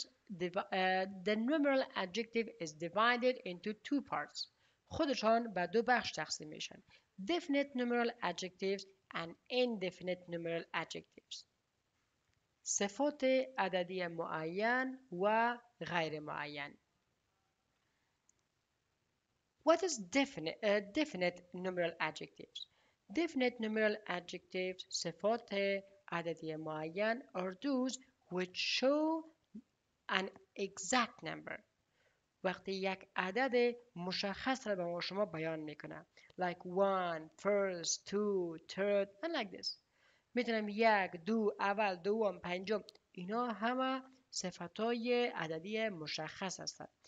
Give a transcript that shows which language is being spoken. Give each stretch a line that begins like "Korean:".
English: The numeral adjective is divided into two parts.
Persian: خودشان به دو بخش تقسیم میشن.
English: Definite numeral adjectives and indefinite numeral adjectives.
Persian: صفات عددی معین و غیر معین.
English: What is definite numeral adjectives? Definite numeral adjectives,
Persian: صفات عددی معین
English: are those which show an exact number.
Persian: وقتی یک عدد مشخص را به شما بیان میکنه.
English: Like one, first, two, third, and like this.
Persian: میتونم یک، دو، اول، دوم، پنجم. اینا همه صفتهای عددی مشخص هستند.